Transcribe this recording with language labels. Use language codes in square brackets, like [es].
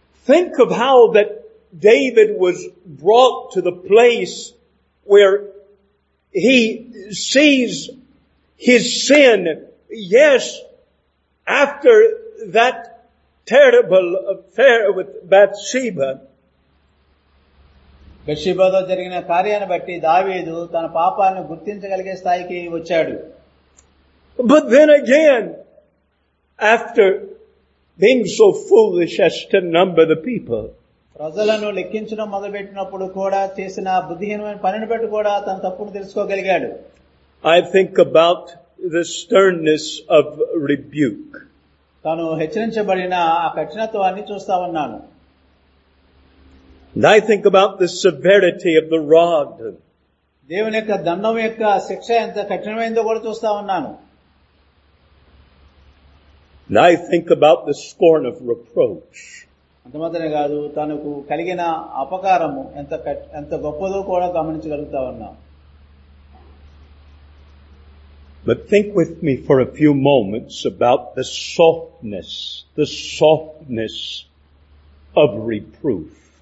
[en] Think of how that David was brought to the place where he sees his sin. yes, after that terrible affair with Bathsheba, [te] బెత్షెబాతో జరిగిన కార్యాన్ని బట్టి దావీదు తన పాపాలను గుర్తించగలిగే స్థాయికి వచ్చాడు. [en] But then again, after being so foolish as to number the people, [te] ప్రజలను లెక్కించడం మొదలుపెట్టినప్పుడు కూడా చేసిన బుద్ధిహీనమైన పనిని బట్టి కూడా తన తప్పును తెలుసుకోగలిగాడు. [en] I think about the sternness of rebuke. [te] తను హెచ్చరించబడిన ఆ కఠినత్వాన్ని చూస్తా ఉన్నాను. [en] And I think about the severity of the rod. [te] దేవుని యొక్క దండం యొక్క శిక్ష ఎంత కఠినమైనదో కూడా చూస్తా ఉన్నాను. [en] And I think about the scorn of reproach. [te] అంతమాత్రమే కాదు తనకు కలిగిన అపకారము ఎంత గొప్పదో కూడా గమనించగలుగుతా ఉన్నాం. [en] But think with me for a few moments about the softness of reproof.